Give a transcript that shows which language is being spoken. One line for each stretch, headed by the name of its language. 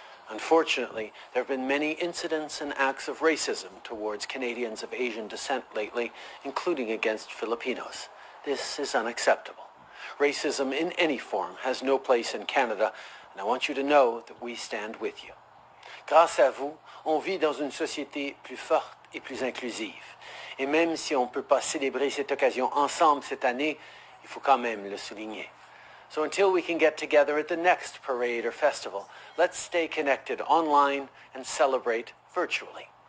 English: Unfortunately, there have been many incidents and acts of racism towards Canadians of Asian descent lately, including against Filipinos. This is unacceptable. Racism in any form has no place in Canada, and I want you to know that we stand with you.
French: Grâce à vous, on vit dans une société plus forte et plus inclusive. Et même si on ne peut pas célébrer cette occasion ensemble cette année, il faut quand même le souligner.
English: So until we can get together at the next parade or festival, let's stay connected online and celebrate virtually.